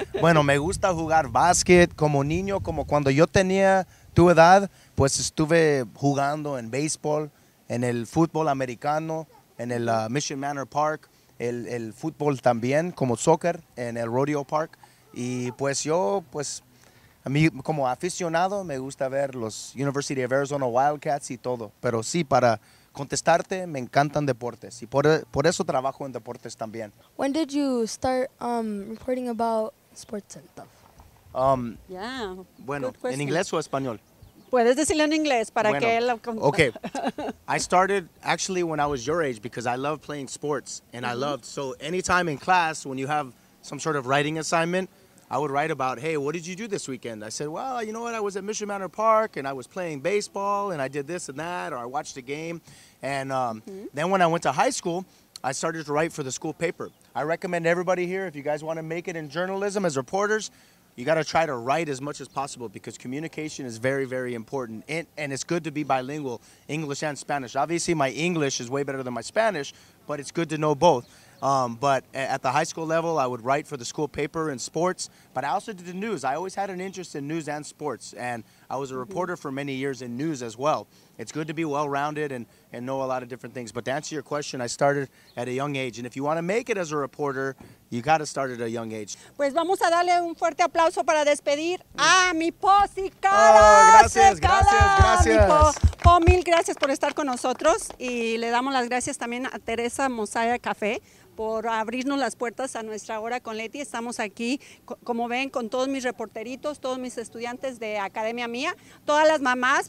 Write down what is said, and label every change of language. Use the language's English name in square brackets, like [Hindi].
[Spanish] Bueno, me gusta jugar básquet como niño, como cuando yo tenía tu edad, pues estuve jugando en béisbol, en el fútbol americano, en el Mission Manor Park, el fútbol también, como soccer, en el Rodeo Park. Y pues yo, pues a mí como aficionado, me gusta ver los University of Arizona Wildcats y todo. Pero sí, para contestarte, me encantan deportes y por eso trabajo en deportes también. [English] When did you start reporting about sports and stuff? [Spanish] Bueno, ¿en inglés o español? Puedes decirlo en inglés para que él lo comprenda. [English] Okay. I started actually when I was your age because I love playing sports and I loved, so anytime in class when you have some sort of writing assignment, I would write about, hey, what did you do this weekend? I said, well, you know what? I was at Mission Manor Park, and I was playing baseball, and I did this and that, or I watched a game. And then when I went to high school, I started to write for the school paper. I recommend everybody here, if you guys want to make it in journalism as reporters, you got to try to write as much as possible because communication is very, very important. And it's good to be bilingual, English and Spanish. Obviously, my English is way better than my Spanish, but it's good to know both. But at the high school level, I would write for the school paper and sports, but I also did the news. I always had an interest in news and sports, and I was a reporter for many years in news as well. It's good to be well-rounded and know a lot of different things. But to answer your question, I started at a young age, and if you want to make it as a reporter, you got to start at a young age. [Spanish] Pues vamos a darle un fuerte aplauso para despedir a mi posicala. Gracias. Oh, mil gracias por estar con nosotros y le damos las gracias también a Teresa Mosaya Café por abrirnos las puertas a nuestra hora con Leti. Estamos aquí, como ven, con todos mis reporteritos, todos mis estudiantes de Academia Mía, todas las mamás.